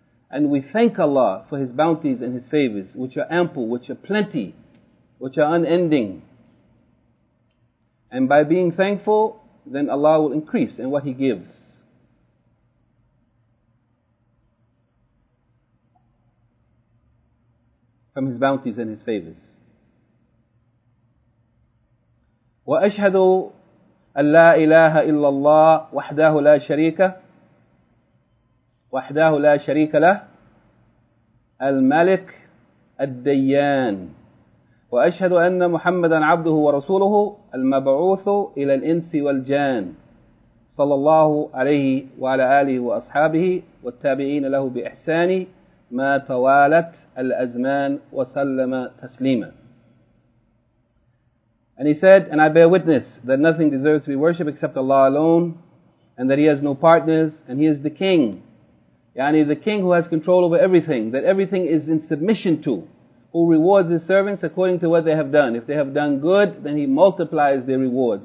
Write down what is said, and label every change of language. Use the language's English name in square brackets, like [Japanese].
[English] And we thank Allah for His bounties and His favors, which are ample, which are plenty, which are unending. And by being thankful, then Allah will increase in what He gives. From His bounties and His favors. [Arabic] وَأَشْهَدُ أَنْ لَا إِلَهَ إِلَّا اللَّهِ وَحْدَهُ لَا شَرِيكَ وحده لا شريك له الملك الديان وأشهد أن محمدا عبده ورسوله المبعوث إلى الإنس والجان صلى الله عليه وعلى آله وأصحابه والتابعين له بإحسان ما توالت الأزمان وسلم تسليما. [English] And he said, and I bear witness that nothing deserves to be worshipped except Allah alone, and that He has no partners, and He is the King. Yani the King who has control over everything, that everything is in submission to, who rewards His servants according to what they have done. If they have done good, then He multiplies their rewards.